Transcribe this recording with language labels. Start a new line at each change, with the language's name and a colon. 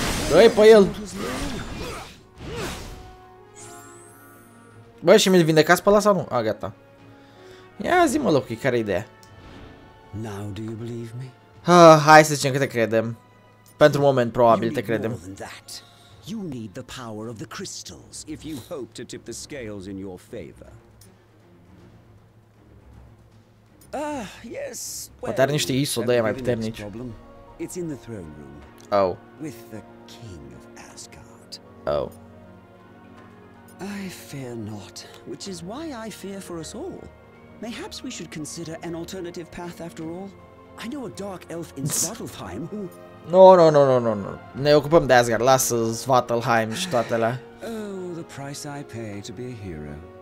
Romanian: Dă-i pe el! Bă, și mi-l vindecați pe ăla sau nu? A, gata. Ia zi-mă, Loki, care-i ideea?
English: Now, do you believe me?
Romanian: Ha, hai să zicem că te credem. Pentru moment, probabil, te credem.
English: You need the power of the crystals if you hope to tip the scales in your favor. Ah, yes.
Romanian: Poate are niște isodăi mai puternici.
English: It's in the throne room. Oh. With the king of Asgard. Oh. I fear not, which is why I fear for us all. Mayhaps we should consider an alternative path after all. I know a dark elf in Svartalfheim who... No, no, no, no, no, no.
Romanian: Ne ocupăm de Asgard, lasă Svartalfheim și toate alea.
English: Oh, the price I pay to be a hero.